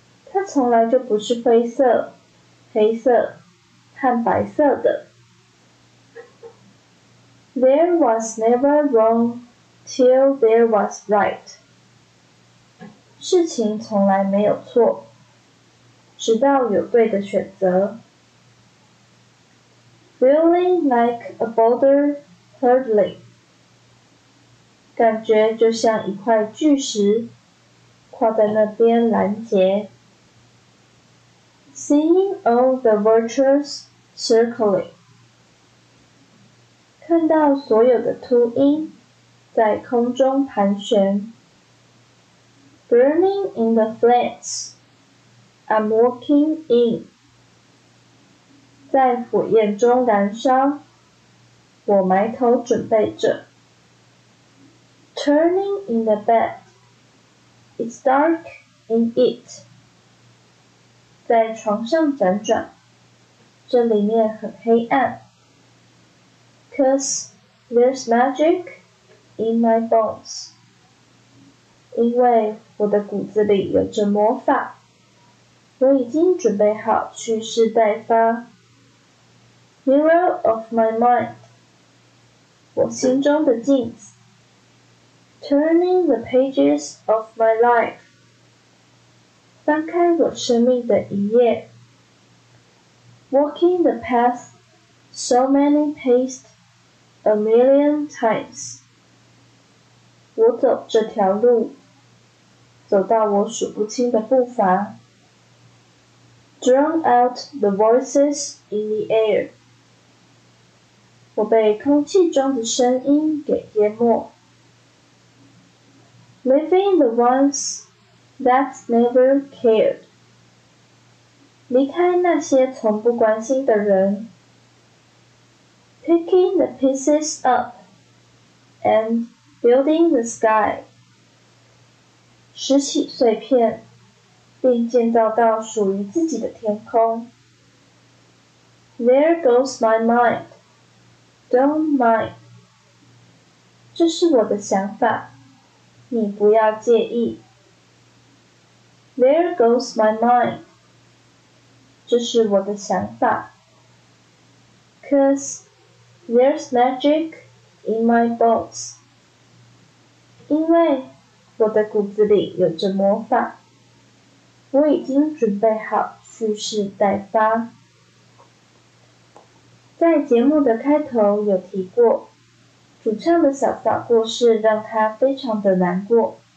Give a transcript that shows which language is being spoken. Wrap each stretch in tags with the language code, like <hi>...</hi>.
<zh>它从来就不是灰色、黑色和白色的。</zh> <en>There was never wrong till there was right.</en> <zh>事情从来没有错，直到有对的选择。</zh> <en>Feeling like a boulder hurtling.</en> <zh>感觉就像一块巨石跨在那边拦截。</zh> <en>Seeing all the virtues circling.</en> <zh>看到所有的秃鹰在空中盘旋。</zh> <en>Burning in the flames, I'm walking in.</en> <zh>在火焰中燃烧，我埋头准备着。</zh> <en>Turning in the bed, it's dark in it.</en> <zh>在床上辗转，这里面很黑暗。</zh> <en>'Cause there's magic in my bones.</en> <zh>因为我的骨子里有着魔法，我已经准备好蓄势待发。</zh> <en>Mirror of my mind.</en> <zh>我心中的镜子。</zh> <en>Turning the pages of my life.</en> <zh>翻开我生命的一页。</zh> <en>Walking the path so many paced. A million times.</en> <zh>我走这条路，走到我数不清的步伐。</zh> <en>Drown out the voices in the air.</en> <zh>我被空气中的声音给淹没。</zh> <en>Leaving the ones that never cared.</en> <zh>离开那些从不关心的人。</zh> <en>Picking the pieces up and building the sky.</en> <zh>拾起碎片并建造到属于自己的天空。</zh> <en>There goes my mind. Don't mind.</en> <zh>这是我的想法，你不要介意。</zh> <en>There goes my mind.</en> <zh>这是我的想法。'</zh> <en>Cause... There's magic in my bones.</en> <zh>因为我的骨子里有着魔法，我已经准备好蓄势待发。在节目的开头有提过，主唱的小嫂过世让他非常的难过。</zh>